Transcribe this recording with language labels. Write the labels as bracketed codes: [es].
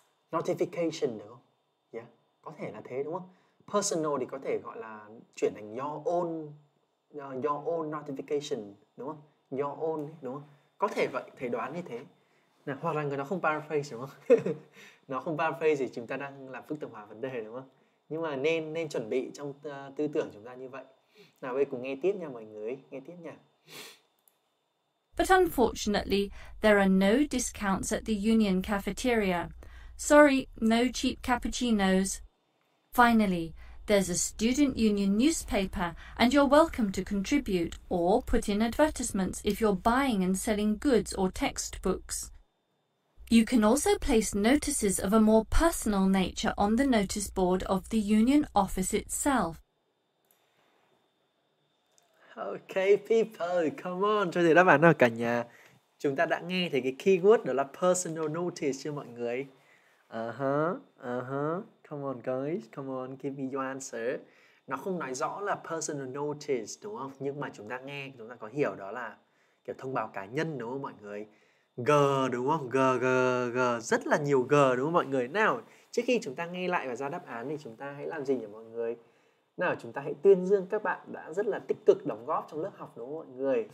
[vi] Notification, đúng không? Yeah, có thể là thế, đúng không? Personal thì có thể gọi là chuyển thành [en] your own notification, [vi] đúng không? [en] Your own, [vi] đúng không? Có thể vậy, thầy đoán như thế. Nào, hoặc là người nó không paraphrase, đúng không? Nó không paraphrase thì chúng ta đang làm phức tạp hóa vấn đề, đúng không? Nhưng mà nên chuẩn bị trong tư tưởng chúng ta như vậy. Nào, bây giờ cùng nghe tiếp nha mọi người, nghe tiếp nha. [en] But unfortunately, there are no discounts at the Union Cafeteria. Sorry, no cheap cappuccinos. Finally, there's a student union newspaper, and you're welcome to contribute or put in advertisements if you're buying and selling goods or textbooks. You can also place notices of a more personal nature on the notice board of the union office itself. Okay, people, come on, [vi] cho thầy đáp án nào cả nhà. Chúng ta đã nghe thấy cái keyword đó là personal notice chưa mọi người? [en] Come on guys, come on, give me your answer. [vi] Nó không nói rõ là personal notice, đúng không? Nhưng mà chúng ta nghe, chúng ta có hiểu đó là kiểu thông báo cá nhân, đúng không mọi người? G đúng không? G, rất là nhiều G đúng không mọi người? Nào, trước khi chúng ta nghe lại và ra đáp án thì chúng ta hãy làm gì nhỉ mọi người? Nào, chúng ta hãy tuyên dương các bạn đã rất là tích cực đóng góp trong lớp học, đúng không mọi người?